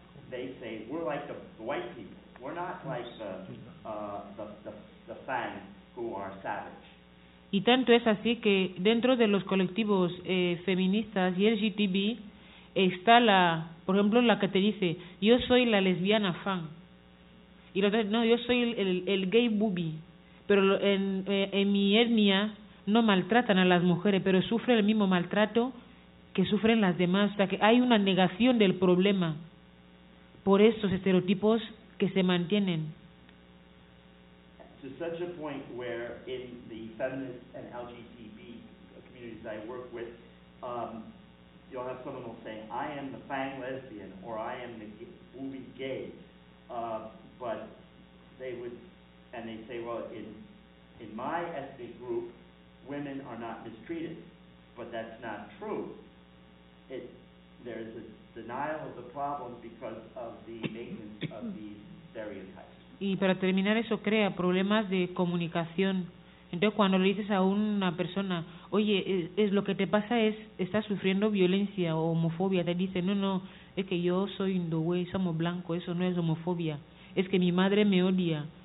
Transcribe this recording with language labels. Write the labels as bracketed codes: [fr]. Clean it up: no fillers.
[en] They say we're like the white people. We're not like the Fang who are savage. [es] Y tanto es así que dentro de los colectivos feministas y LGTB está la, por ejemplo, la que te dice, yo soy la lesbiana fan. Y la otra, no, yo soy el gay booby. Pero en mi etnia no maltratan a las mujeres, pero sufren el mismo maltrato que sufren las demás. O sea, que hay una negación del problema por esos estereotipos que se mantienen. [en] To such a point where in the feminist and LGTB communities I work with, you'll have someone will say, I am the Fang lesbian, or I am the Ubi gay, but they would, and they say, well, in my ethnic group, women are not mistreated, but that's not true. There's a denial of the problem because of the maintenance of these stereotypes. [es] Y para terminar, eso crea problemas de comunicación. Entonces, cuando le dices a una persona, oye, es lo que te pasa es, estás sufriendo violencia o homofobia, te dice, no, es que yo soy indowey, somos blancos, eso no es homofobia, es que mi madre me odia.